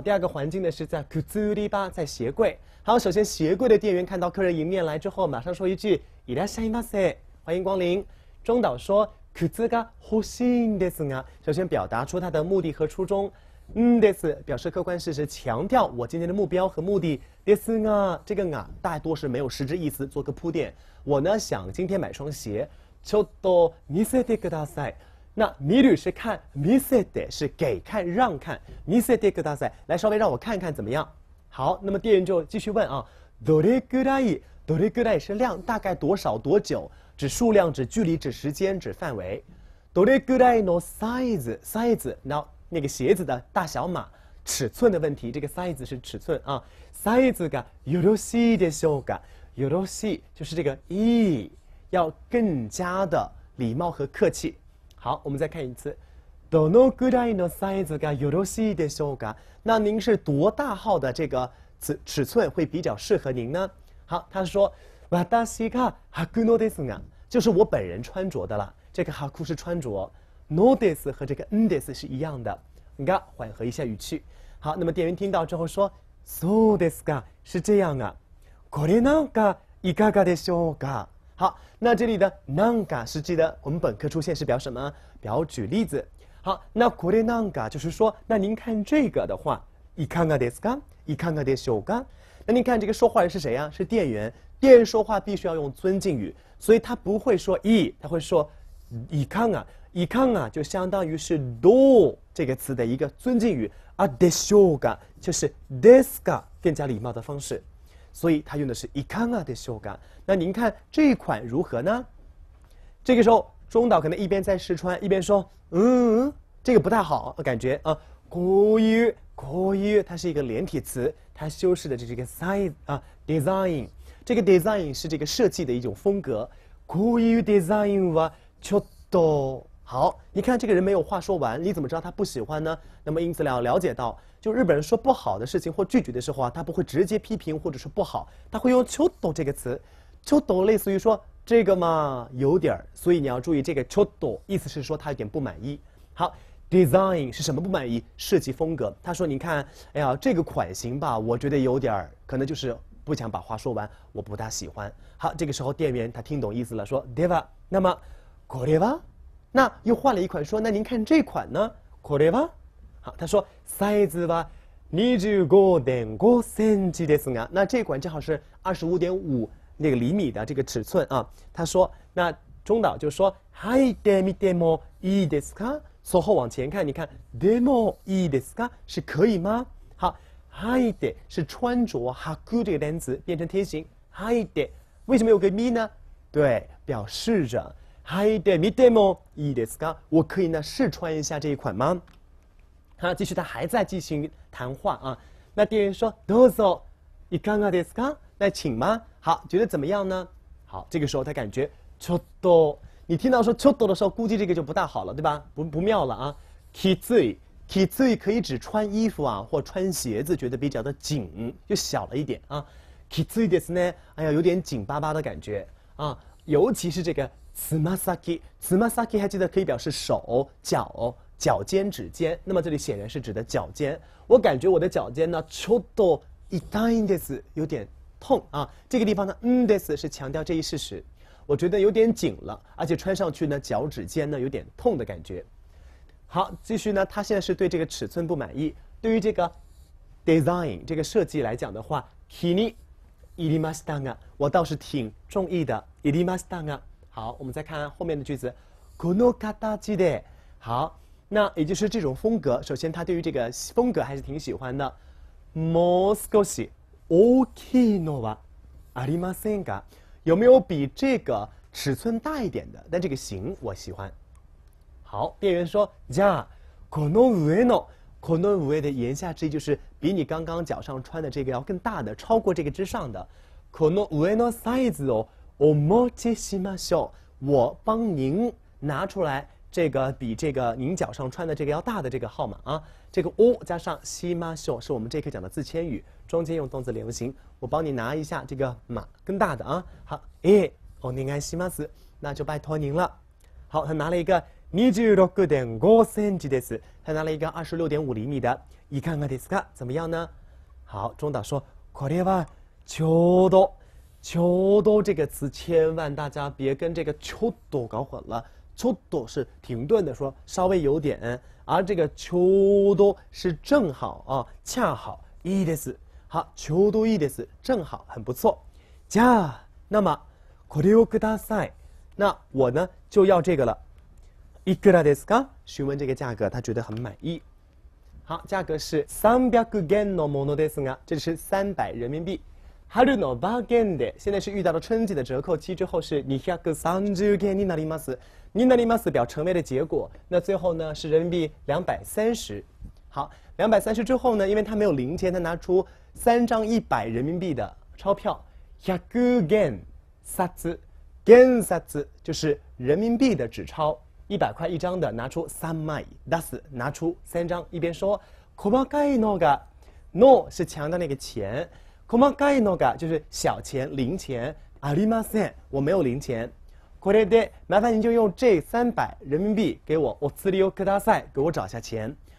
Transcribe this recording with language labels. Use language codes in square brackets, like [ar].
[zh] 第二个环境呢是在くずりば，在鞋柜。好，首先鞋柜的店员看到客人迎面来之后，马上说一句 [ja] いらっしゃいませ， [zh] 欢迎光临。中岛说。 [ja] 靴が欲しいんですが， [zh] 首先表达出他的目的和初衷。嗯，です表示客观事实，强调我今天的目标和目的。ですが，这个啊，大多是没有实质意思，做个铺垫。我呢想今天买双鞋。 [ja] ちょっと見せてください。 [zh] 那見る是看，見せて是给看让看。 [ja] 見せてください， [zh] 来稍微让我看看怎么样。好，那么店员就继续问啊， [ja] どれぐらい？ [zh] どれぐらい是量，大概多少多久？指数量，指距离，指时间，指范围。 [ja] どれぐらいのサイズ， [zh] 然后那个鞋子的大小码、尺寸的问题。这个 size 是尺寸啊。 [ja] サイズがよろしいでしょうか？ [zh] よろしい就是这个いい，要更加的礼貌和客气。好，我们再看一次。 [ja] どのぐらいのサイズがよろしいでしょうか？ [zh] 那您是多大号的这个尺寸会比较适合您呢？好，他说。 [ja] 私が履くのですが， [zh] 就是我本人穿着的了。这个履く是穿着，のです和这个んです是一样的。が缓和一下语气。好，那么店员听到之后说， [ja] そうですか， [zh] 是这样啊。 [ja] これなんかいかがでしょうか。 [zh] 好，那这里的なんか是记得我们本科出现是表什么？表举例子。好，那 [ja] これなんか [zh] 就是说，那您看这个的话， [ja] いかがですか？いかがでしょうか？ [zh] 那您看这个说话人是谁啊？是店员。店员说话必须要用尊敬语，所以他不会说いい，他会说いかが。いかが就相当于是どう这个词的一个尊敬语，あでしょうか就是ですか更加礼貌的方式，所以他用的是 [ja] いかがでしょうか。 [zh] 那您看这款如何呢？这个时候中岛可能一边在试穿，一边说嗯，这个不太好，感觉啊。こういうこういう它是一个连体词，它修饰的就是一个 size 啊 design。这个 design 是这个设计的一种风格。 [ja] こういうデザインはちょっと。 [zh] 好，你看这个人没有话说完，你怎么知道他不喜欢呢？那么因此了解到，就日本人说不好的事情或拒绝的时候啊，他不会直接批评或者说不好，他会用ちょっと这个词。ちょっと类似于说这个嘛有点儿，所以你要注意这个ちょっと意思是说他有点不满意。好。 Design 是什么不满意？设计风格。他说：“你看，哎呀，这个款型吧，我觉得有点儿，可能就是不想把话说完，我不大喜欢。” 好，这个时候店员他听懂意思了，说 ：“Deva， 那么 ，Koreva， 那又换了一款，说：那您看这款呢 ？Koreva， 好，他说 ， [ja] size は25.5cmですが， [zh] 那这款正好是25.5那个厘米的这个尺寸啊。”他说：“那中岛就说， [ja] はいてみてもいいですか？” [zh] 所后往前看，你看 [ja] でもいいですか， [zh] 是可以吗？好，はいて是穿着，はく这个单词变成贴形，はいて为什么有个み呢？对，表示着。 [ja] はいて見てもいいですか， [zh] 我可以呢试穿一下这一款吗？好，继续，他还在进行谈话啊。那店员说 [ja] どうぞいかがですか， [zh] 来请吗？好，觉得怎么样呢？好，这个时候他感觉ちょっと，你听到说ちょっと的时候，估计这个就不大好了，对吧？不妙了啊。きつい，きつい可以指穿衣服啊，或穿鞋子，觉得比较的紧，就小了一点啊。 [ja] きついですね， [zh] 哎呀，有点紧巴巴的感觉啊。尤其是这个つま先，つま先还记得可以表示手、脚、脚尖、指尖。那么这里显然是指的脚尖。我感觉我的脚尖呢， [ja] ちょっと痛いんです， [zh] 有点痛啊。这个地方呢，嗯です是强调这一事实。我觉得有点紧了，而且穿上去呢，脚趾尖呢有点痛的感觉。好，继续呢，他现在是对这个尺寸不满意。对于这个 design 这个设计来讲的话， [ja] 気に入りましたが， [zh] 我倒是挺中意的。 [ja] 入りましたが， [zh] 好，我们再看后面的句子。 [ja] この形で， [zh] 好，那也就是这种风格。首先，他对于这个风格还是挺喜欢的。 [ja] もう少し大きいのはありませんか？ [zh] 有没有比这个尺寸大一点的？但这个型我喜欢。好，店员说： [ja] “じゃあこの上の、 [zh] この上的言下之意就是比你刚刚脚上穿的这个要更大的，超过这个之上的。 [ja] この上のサイズをお持ちしましょう。 [zh] 我帮您拿出来这个比这个您脚上穿的这个要大的这个号码啊。这个お加上しましょう是我们这课讲的自谦语，中间用动词连形。” 我帮你拿一下这个码，更大的啊。好， [ja] え、お願いします。 [zh] 那就拜托您了。好，他拿了一个 [ja] 26.5cmです。 [zh] 他拿了一个26.5厘米的。 [ja] いかがですか？ [zh] 怎么样呢？好，中岛说， [ja] これはちょうど。 [zh] ちょうど这个词千万大家别跟这个ちょっと搞混了。ちょっと是停顿的，说稍微有点，而这个ちょうど是正好啊，恰好。 [ja] いいです。 [zh] 好， [ja] ちょうどいいです， [zh] 正好，很不错。 [ja] じゃあ、 [zh] 那么 [ja] これをください。 [zh] 那我呢就要这个了。 [ja] いくらですか？ [zh] 询问这个价格，他觉得很满意。好，价格是 [ja] 300元のものですが， [zh] 这是300人民币。 [ja] 春のバーゲンで， [zh] 现在是遇到了春季的折扣期之后是 [ja] 230元になります。 [zh] になります表成为的结果，那最后呢是人民币230。好，230之后呢，因为他没有零钱，他拿出3张100人民币的钞票，100元札，元札就是人民币的纸钞，100块1张的，拿出3枚，出す拿出3张，一边说， [ja] 細かいのが， [zh] の是强调那个钱，細かいのが就是小钱零钱， [ja] ありません， [zh] 我没有零钱，これで麻烦您就用这300人民币给我， [ja] お釣りをください， [zh] 给我找下钱。